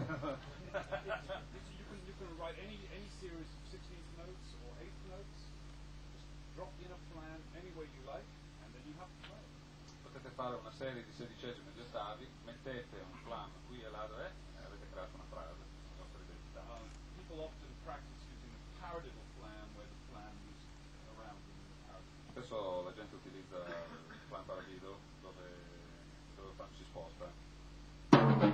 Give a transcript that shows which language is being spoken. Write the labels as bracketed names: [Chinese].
[English] you can write any series of 16th notes or 8th notes, just drop in a plan any way you like, and then you have to play. [Italian] Potete fare una serie di sedicesimi e di ottavi, mettete un plan qui e là dove è, e avete creato una frase, la vostra identità. [English] People often practice using a paradiddle plan where the plan is around in the paradiddle. [Italian] Spesso la gente utilizza il plan paradiddle dove il plan si sposta.